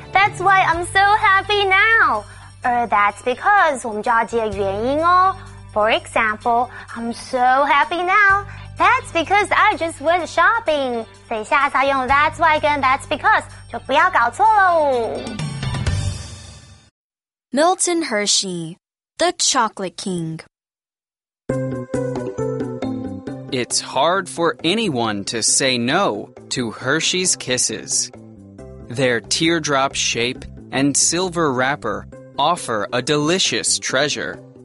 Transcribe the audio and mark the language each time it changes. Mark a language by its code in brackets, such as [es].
[en] That's why I'm so happy now. [zh] Or that's because 我们就要接原因哦。 [en] For example, I'm so happy now. That's because I just went shopping. [zh] 所以下次要用 that's why 跟 that's because 就不要搞错喽。 [en] Milton Hershey, the Chocolate King. It's hard for anyone to say no to Hershey's Kisses. Their teardrop shape and silver wrapper offer a delicious treasure.